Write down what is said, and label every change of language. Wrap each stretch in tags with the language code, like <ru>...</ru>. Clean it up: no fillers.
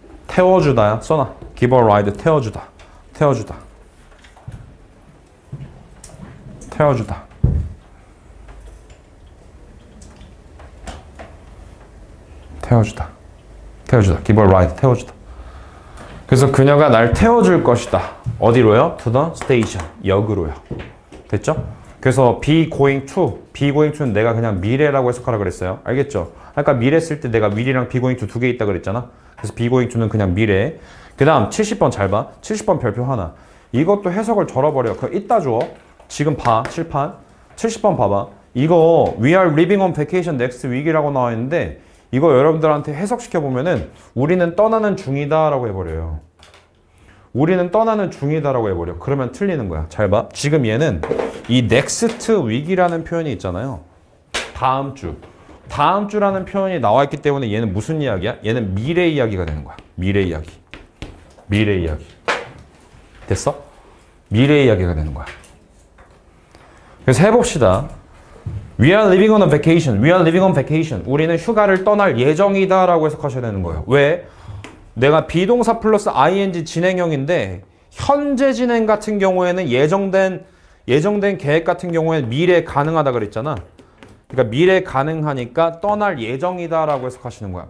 <ko>태워주다야. 써놔.</ko> <en>Give a ride</en> <ko>태워주다. 태워주다. 태워주다. 태워주다. 태워주다.</ko> <en>Give a ride</en> <ko>태워주다. 그래서 그녀가 날 태워줄 것이다. 어디로요?</ko> <en>To the station.</en> <ko>역으로요. 됐죠? 그래서 be going to, be going to는 내가 그냥 미래라고 해석하라 그랬어요. 알겠죠? 아까 미래 쓸 때 내가 will이랑 be going to 두 개 있다 그랬잖아. 그래서 be going to는 그냥 미래. 그 다음 70번 잘 봐. 70번 별표 하나. 이것도 해석을 절어버려. 그거 이따 줘. 지금 봐. 칠판. 70번 봐봐. 이거</ko> <en>we are leaving on vacation next week</en> <ko>이라고 나와 있는데 이거 여러분들한테 해석시켜보면은 우리는 떠나는 중이다 라고 해버려요. 우리는 떠나는 중이다 라고 해버려. 그러면 틀리는 거야. 잘 봐. 지금 얘는 이 next week이라는 표현이 있잖아요. 다음 주. 다음 주라는 표현이 나와 있기 때문에 얘는 무슨 이야기야? 얘는 미래 이야기가 되는 거야. 미래 이야기. 미래 이야기. 됐어? 미래 이야기가 되는 거야. 그래서 해봅시다.</ko> <en>We are living on a vacation. We are living on vacation.</en> <ko>우리는 휴가를 떠날 예정이다 라고 해석하셔야 되는 거예요. 왜? 내가 비동사 플러스 ing 진행형인데 현재 진행 같은 경우에는 예정된 계획 같은 경우에는 미래 가능하다 그랬잖아. 그러니까 미래 가능하니까 떠날 예정이다 라고 해석하시는 거야.</ko>